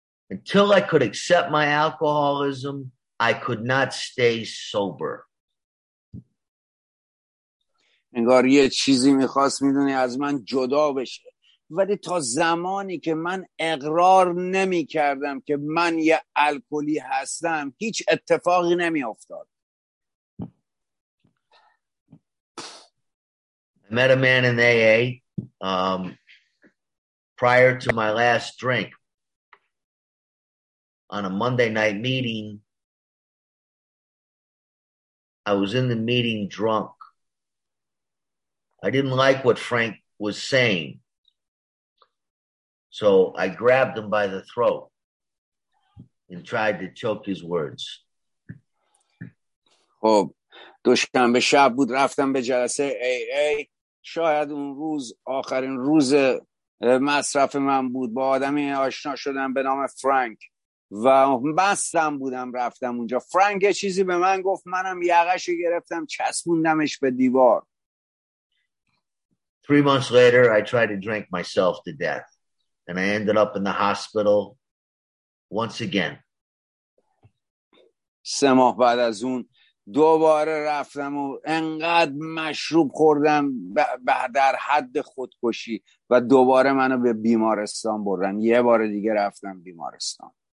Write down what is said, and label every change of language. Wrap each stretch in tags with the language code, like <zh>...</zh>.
<en>Until I could accept my alcoholism, I could not stay sober.</en> <fa>انگار یه چیزی میخواست میدونی از من جدا بشه. ولی تا زمانی که من اقرار نمی کردم که من یه الکلی هستم، هیچ اتفاقی نمی افتاد.</fa> <en>I met a man in AA prior to my last drink. On a Monday night meeting, I was in the meeting drunk. I didn't like what Frank was saying, so I grabbed him by the throat and tried to choke his words.</en> <fa>خب دوشنبه شب بود رفتم به جلسه AA. شاید اون روز آخرین روز مصرف من بود. با آدمی آشنا شدم به نام فرانک و بستم بودم رفتم اونجا. فرانک چیزی به من گفت، منم یقشو گرفتم چسبوندمش به دیوار.</fa> <en>3 months later I tried to drink myself to death and I ended up in the hospital once again.</en> <fa>3 ماه بعد از اون دوباره رفتم و انقدر مشروب خوردم در حد خودکشی و دوباره منو به بیمارستان بردن. یه بار دیگه رفتم بیمارستان.</fa>